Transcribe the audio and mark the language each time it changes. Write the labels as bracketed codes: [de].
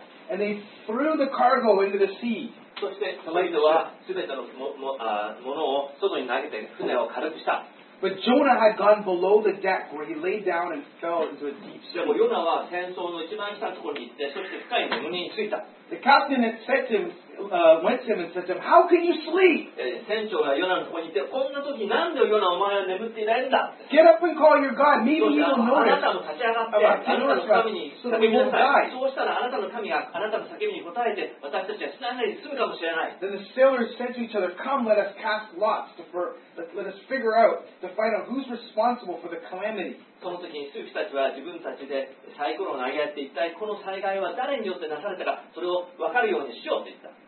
[en] And they threw the cargo into the sea. [ja] そして人々はすべてのものを外に投げて船を軽くした。 [en] But Jonah had gone below the deck where he lay down and fell into a deep sleep. [ja] でもヨナは船倉の一番下のところに行って、そして深い眠りについた。 [en] The captain had said to him, went to him and said to him, How can you sleep? [ja] 船長がヨナのところに行って、こんな時なんでヨナお前は眠っていないんだ。 [en] Get up and call your God. Maybe he'll notice. [ja] あなたも立ち上がって、あなたの神に叫びなさい。そうしたらあなたの神があなたの叫びに応えて、私たちは船内に住むかもしれない。 [en] Then the sailors said to each other, Come, let us cast lots let us figure out to find out who's responsible for the calamity. [ja] その時に数人たちは自分たちでサイコロを投げ合って、一体この災害は誰によってなされたか、それを分かるようにしようと言った。